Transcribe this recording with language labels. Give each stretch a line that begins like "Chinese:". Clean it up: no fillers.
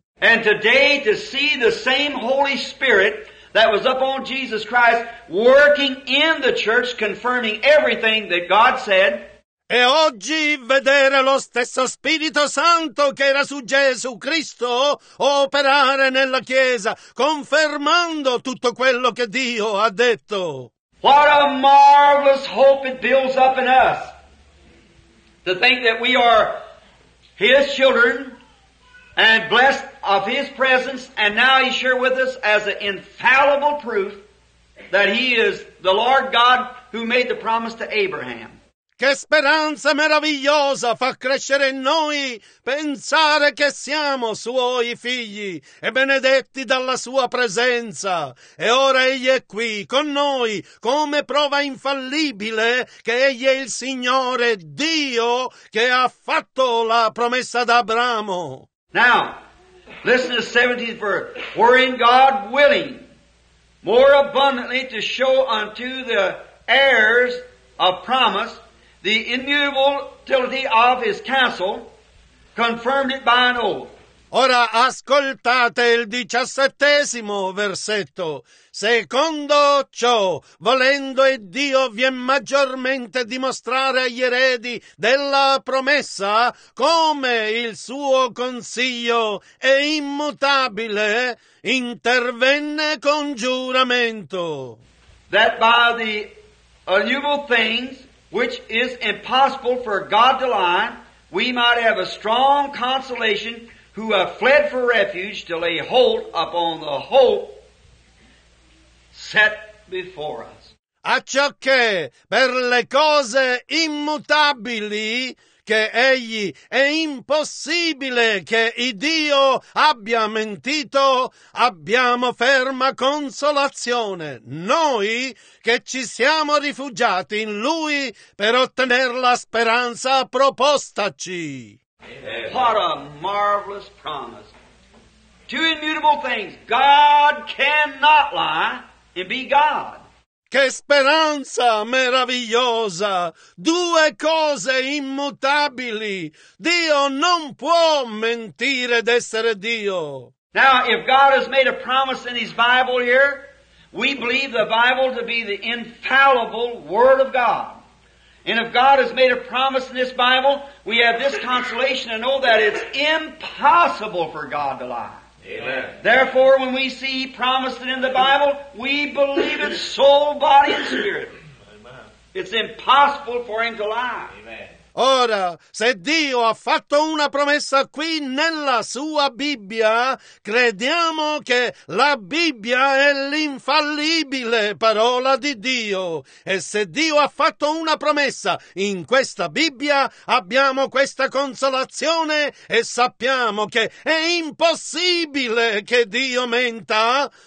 English: And today to see the same Holy Spirit that was upon Jesus Christ working in the church, confirming everything that God said.
Italian: E oggi vedere lo stesso Spirito Santo che era su Gesù Cristo operare nella Chiesa, confermando tutto quello che Dio ha detto.
English: What a marvelous hope it builds up in us. To think that we are His children and blessed of His presence, and now He's here with us as an infallible proof that He is the Lord God who made the promise to Abraham.
Italian: Che speranza meravigliosa fa crescere in noi pensare che siamo Suoi figli e benedetti dalla Sua presenza. E ora Egli è qui con noi come prova infallibile che Egli è il Signore Dio che ha fatto la promessa ad Abramo.
English: Now, listen to the 17th verse. Wherein God willing more abundantly to show unto the heirs of promise the immutability of his counsel, confirmed it by an oath.
Italian: Ora ascoltate il 17° versetto. Secondo ciò, volendo e Dio vien maggiormente dimostrare agli eredi della promessa come il suo consiglio è immutabile, intervenne con giuramento.
English: That by the immutable things, which is impossible for God to lie, we might have a strong consolation who have fled for refuge to lay hold upon the hope set before us.
Italian: A ciò che per le cose immutabili perché egli è impossibile che Iddio abbia mentito, abbiamo ferma consolazione, noi che ci siamo rifugiati in lui per ottenere la speranza propostaci.
English: What a marvelous promise. Two immutable things. God cannot lie and be God.
Italian: Che speranza meravigliosa! Due cose immutabili! Dio non può mentire ed essere Dio!
English: Now, if God has made a promise in His Bible here, we believe the Bible to be the infallible Word of God. And if God has made a promise in this Bible, we have this consolation to know that it's impossible for God to lie. Amen. Therefore, when we see He promised it in the Bible, we believe it soul, body, and spirit. Amen. It's impossible for Him to lie. Amen.
Italian: Ora, se Dio ha fatto una promessa qui nella sua Bibbia, crediamo che la Bibbia è l'infallibile parola di Dio. E se Dio ha fatto una promessa in questa Bibbia, abbiamo questa consolazione e sappiamo che è impossibile che Dio menta.